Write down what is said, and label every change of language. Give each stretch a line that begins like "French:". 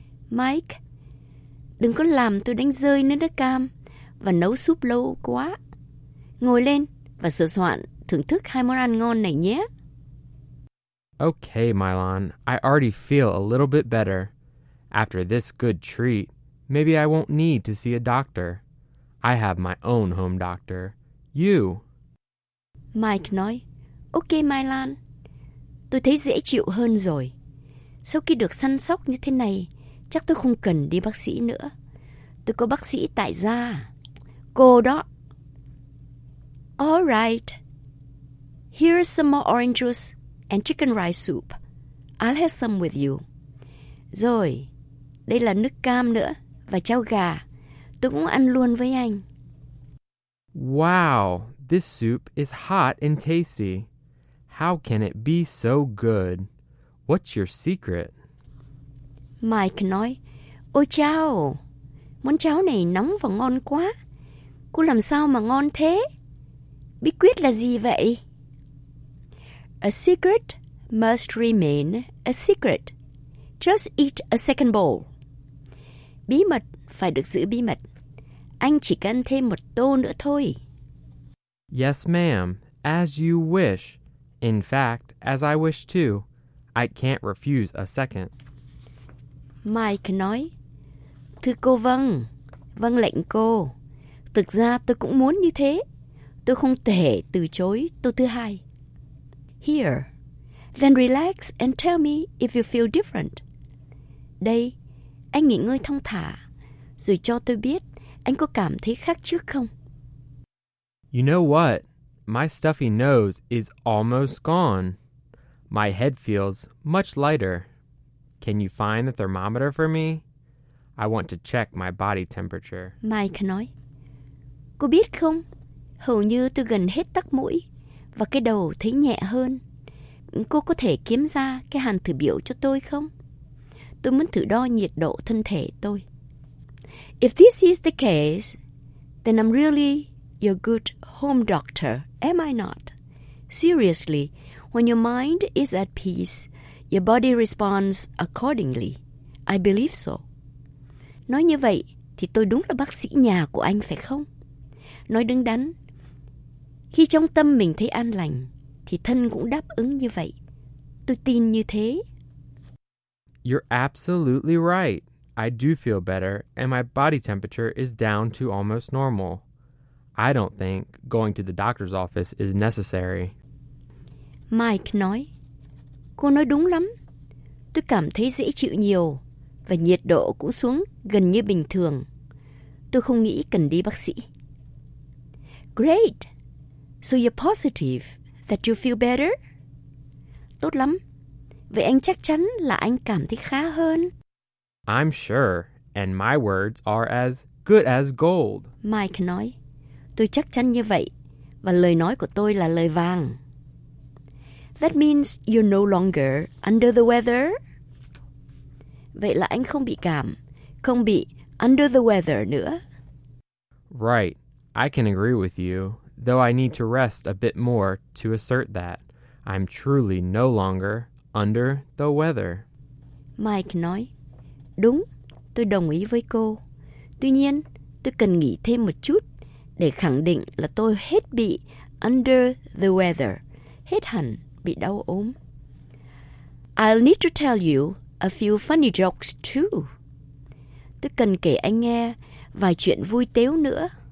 Vietnamese: Mike, đừng có làm tôi đánh rơi nước cam và nấu súp lâu quá. Ngồi lên và sửa soạn thưởng thức hai món ăn ngon này nhé.
English: Okay, Mylon, I already feel a little bit better. After this good treat, maybe I won't need to see a doctor. I have my own home doctor. You.
Vietnamese: Mike nói, okay, Mylon, tôi thấy dễ chịu hơn rồi. Sau khi được săn sóc như thế này, chắc tôi không cần đi bác sĩ nữa. Tôi có bác sĩ tại gia. Cô đó.
English: All right. Here's some more orange juice and chicken rice soup. I'll have some with you.
Vietnamese: Rồi, đây là nước cam nữa và cháo gà. Tôi cũng ăn luôn với anh.
English: Wow, this soup is hot and tasty. How can it be so good? What's your secret?
Vietnamese: Mike nói, ôi cháo, món cháo này nóng và ngon quá. Cô làm sao mà ngon thế? Bí quyết là gì vậy?
English: A secret must remain a secret. Just eat a second bowl.
Vietnamese: Bí mật phải được giữ bí mật. Anh chỉ cần thêm một tô nữa thôi.
English: Yes, ma'am. As you wish. In fact, as I wish too. I can't refuse a second.
Vietnamese: Mike nói, thưa cô vâng, vâng lệnh cô. Thực ra tôi cũng muốn như thế. Tôi không thể từ chối tô thứ hai.
English: Here. Then relax and tell me if you feel different.
Vietnamese: Đây, anh nghỉ ngơi thong thả, rồi cho tôi biết anh có cảm thấy khác trước không?
English: You know what? My stuffy nose is almost gone. My head feels much lighter. Can you find the thermometer for me? I want to check my body temperature.
Vietnamese: Mike nói, cô biết không? Hầu như tôi gần hết tắc mũi và cái đầu thấy nhẹ hơn. Cô có thể kiếm ra cái hàn thử biểu cho tôi không? Tôi muốn thử đo nhiệt độ thân thể tôi.
English: If this is the case, Then I'm really your good home doctor, am I not? Seriously, when your mind is at peace, your body responds accordingly. I believe so.
Vietnamese: Nói như vậy thì tôi đúng là bác sĩ nhà của anh phải không? Nói đứng đắn. Khi trong tâm mình thấy an lành, thì thân cũng đáp ứng như vậy. Tôi tin như thế.
English: You're absolutely right. I do feel better, and my body temperature is down to almost normal. I don't think going to the doctor's office is necessary.
Vietnamese: Mike nói, cô nói đúng lắm. Tôi cảm thấy dễ chịu nhiều, và nhiệt độ cũng xuống gần như bình thường. Tôi không nghĩ cần đi bác sĩ.
English: Great! So you're positive that you feel better?
Vietnamese: Tốt lắm. Vậy anh chắc chắn là anh cảm thấy khá hơn.
English: I'm sure, and my words are as good as gold.
Vietnamese: Mike nói, tôi chắc chắn như vậy, và lời nói của tôi là lời vàng.
English: That means you're no longer under the weather.
Vietnamese: Vậy là anh không bị cảm, không bị
English: under the weather
Vietnamese: nữa.
English: Right, I can agree with you, though I need to rest a bit more to assert that. I'm truly no longer under the weather.
Vietnamese: Mike nói, đúng, tôi đồng ý với cô. Tuy nhiên, tôi cần nghỉ thêm một chút để khẳng định là tôi hết bị
English: under the weather,
Vietnamese: hết hẳn bị đau ốm.
English: I'll need to tell you a few funny jokes too.
Vietnamese: Tôi cần kể anh nghe vài chuyện vui tếu nữa.